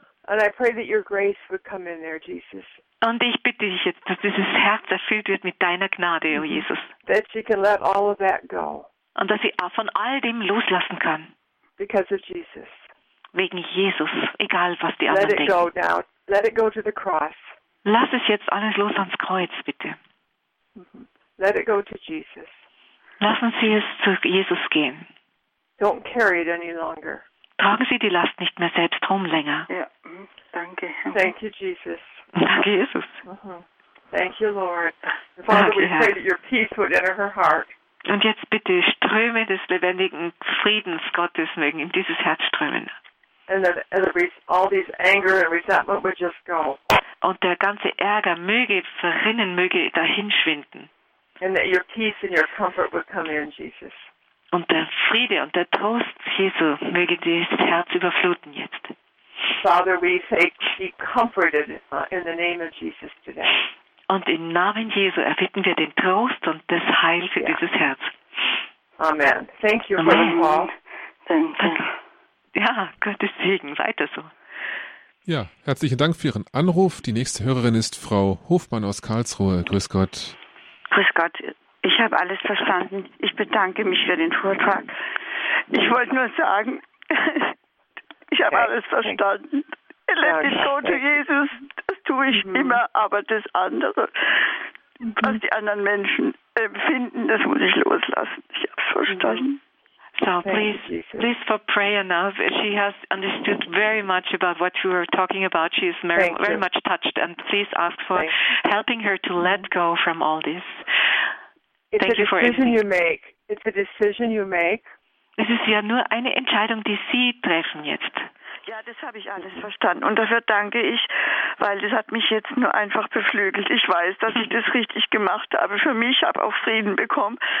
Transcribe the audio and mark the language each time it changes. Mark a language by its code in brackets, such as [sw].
[en] And I pray that your grace would come in there, Jesus. [de] Und ich bitte dich jetzt, dass dieses Herz erfüllt wird mit deiner Gnade, O Jesus. [en] That she can let all of that go. [de] Und dass sie auch von all dem loslassen kann. [en] Because of Jesus. [de] Wegen Jesus, egal was die anderen denken. [en] Let it go now. Let it go to the cross. [de] Lass es jetzt alles los ans Kreuz, bitte. [en] Let it go to Jesus. [de] Lassen Sie es zu Jesus gehen. [en] Don't carry it any longer. [de] Tragen Sie die Last nicht mehr selbst rum länger. Ja, danke. [en] Thank you, Jesus. [de] Danke, Jesus. [en] Thank you, Lord. Father, [de] danke, [en] we pray [de] Herr. [en] That your peace would enter her heart. [de] Und jetzt bitte Ströme des lebendigen Friedens Gottes mögen in dieses Herz strömen. [en] And that all these anger and resentment would just go. [de] Und der ganze Ärger möge verrinnen, möge dahinschwinden. [en] And that your peace and your comfort would come in, Jesus. [de] Und der Friede und der Trost, Jesu, möge dieses Herz überfluten jetzt. [en] Father, we say, be comforted in the name of Jesus today. [de] Und im Namen Jesu erbitten wir den Trost und das Heil für dieses Herz. [en] Amen. Thank you, [de] Amen. [en] For the call. [de] Danke. Ja, Gottes Segen, weiter so. Ja, herzlichen Dank für Ihren Anruf. Die nächste Hörerin ist Frau Hofmann aus Karlsruhe. Grüß Gott. Grüß Gott. Ich habe alles verstanden. Ich bedanke mich für den Vortrag. Ich wollte nur sagen, Ich habe alles verstanden. Er lässt den Tod zu Jesus. Das tue ich immer. Aber das andere, was die anderen Menschen empfinden, das muss ich loslassen. Ich habe es verstanden. [en] So please for prayer now. She has understood very much about what you were talking about. She is very, very much touched. And please ask for helping her to let go from all this. It's a decision you make. It's a decision you make. [de] Es ist ja nur eine Entscheidung, die Sie treffen jetzt. Ja, das habe ich alles verstanden. Und dafür danke ich, weil das hat mich jetzt nur einfach beflügelt. Ich weiß, dass ich das richtig gemacht habe. Für mich habe auch Frieden bekommen.